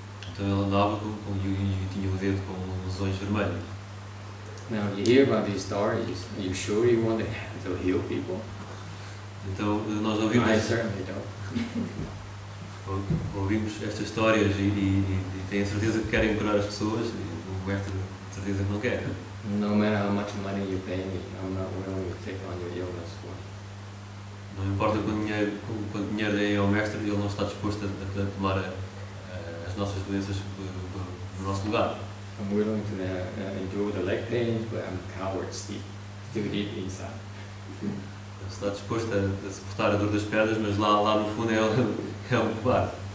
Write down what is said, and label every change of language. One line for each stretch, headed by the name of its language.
Portuguese: então ele andava com e tinha o dedo com lesões vermelhas.
English: Now you hear about these stories, are you sure you want to heal people?
Portuguese: Então nós ouvimos.
English: I certainly don't.
Portuguese: ouvimos estas histórias e têm a certeza que querem curar as pessoas, e o mestre de certeza que não quer.
English: No matter how much money you pay me, I'm not willing to take on your illness for it.
Portuguese: Não importa quanto dinheiro deem ao mestre, ele não está disposto a tomar as nossas doenças no nosso lugar.
English: I'm willing to endure the leg pain, but I'm a coward still deep inside.
Portuguese: Está disposto a suportar a dor das pernas, mas lá no fundo é um covarde.